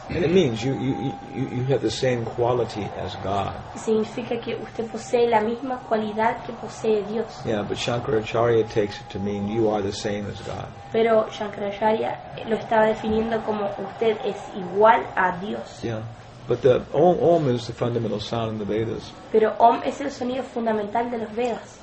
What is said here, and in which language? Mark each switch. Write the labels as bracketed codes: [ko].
[en] And it means you have the same quality as God. [es] Significa que usted posee la misma cualidad que posee Dios. [en] Yeah, but Shankaracharya takes it to mean you are the same as God. [es] Pero Shankaracharya lo estaba definiendo como usted es igual a Dios. [en] Yeah. But the Om is the fundamental sound in the Vedas. [es] Pero Om es el sonido fundamental de los Vedas.